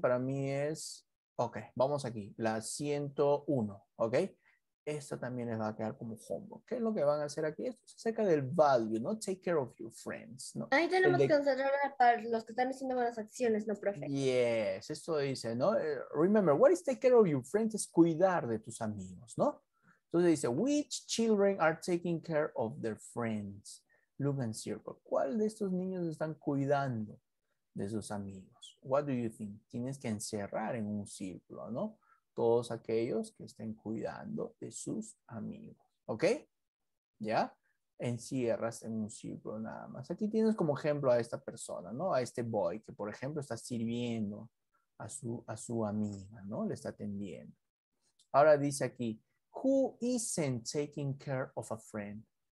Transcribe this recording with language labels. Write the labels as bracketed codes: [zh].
[es] Para mí es... Ok, vamos aquí. La 101. ¿Ok? Esta también les va a quedar como homework. ¿Qué es lo que van a hacer aquí? Esto es acerca del value, ¿no? [en] Take care of your friends, [es] ¿no? Ahí tenemos que considerar para los que están haciendo buenas acciones, ¿no, profe? Yes, esto dice, ¿no? [en] Remember, what is take care of your friends? [es] Es cuidar de tus amigos, ¿no? Entonces dice, [en] which children are taking care of their friends? Look and circle. [es] ¿Cuál de estos niños están cuidando de sus amigos? [en] What do you think? [es] Tienes que encerrar en un círculo, ¿no? Todos aquellos que estén cuidando de sus amigos. ¿Ok? ¿Ya? Encierras en un círculo nada más. Aquí tienes como ejemplo a esta persona, ¿no? A este boy que, por ejemplo, está sirviendo a su amiga, ¿no? Le está atendiendo. Ahora dice aquí, [en] who isn't taking care of a friend?